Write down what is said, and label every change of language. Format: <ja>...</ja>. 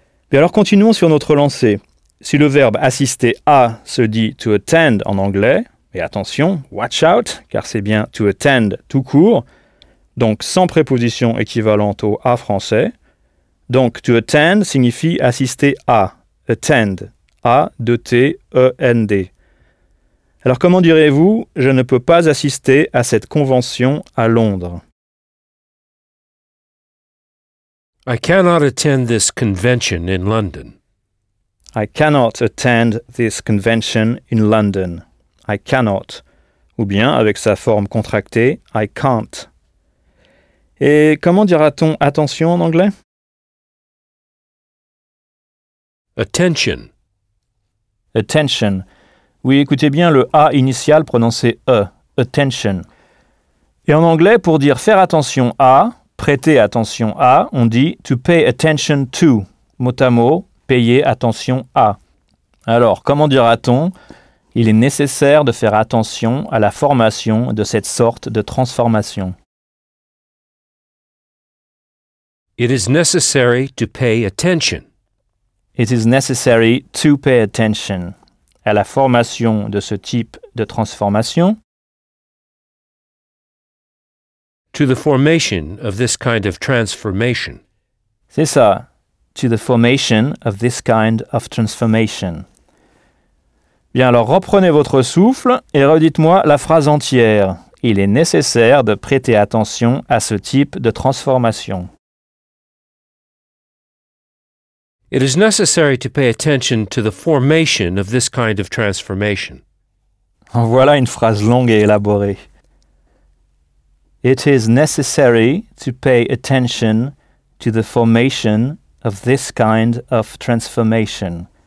<fr>Mais alors continuons sur notre lancée. Si le verbe « assister à » se dit «</fr> <en>to attend</en> <fr>» en anglais, et attention, «</fr> <en>watch out</en> <fr>», car c'est bien «</fr> <en>to attend</en> <fr>» tout court, donc sans préposition équivalente au « à » français. Donc « to attend » signifie « assister à »,« attend », »,« A-T-E-N-D ». Alors comment direz-vous « je ne peux pas assister à cette convention à Londres » ?</fr> <en>I cannot attend this convention in London. I cannot attend this convention in London. I cannot.</en> <fr>Ou bien, avec sa forme contractée,</fr> <en>I can't.</en> <fr>Et comment dira-t-on attention en anglais?</fr> <en>Attention. Attention.</en> <fr>Oui, écoutez bien le A initial prononcé E. Attention. Et en anglais, pour dire faire attention à... Prêter attention à, on dit</fr> <en>to pay attention to,</en> <fr>mot à mot, payer attention à. Alors, comment dira-t-on ? Il est nécessaire de faire attention à la formation de cette sorte de transformation.</fr> <en>It is necessary to pay attention. It is necessary to pay attention.</en> <fr>À la formation de ce type de transformation.</fr> <en>To the formation of this kind of transformation.</en> <fr>C'est ça.</fr> <en>To the formation of this kind of transformation.</en> <fr>Bien, alors reprenez votre souffle et redites-moi la phrase entière. Il est nécessaire de prêter attention à ce type de transformation.</fr> <en>It is necessary to pay attention to the formation of this kind of transformation.</en> <fr>En voilà une phrase longue et élaborée.</fr> <en>It is necessary to pay attention to the formation of this kind of transformation.</en>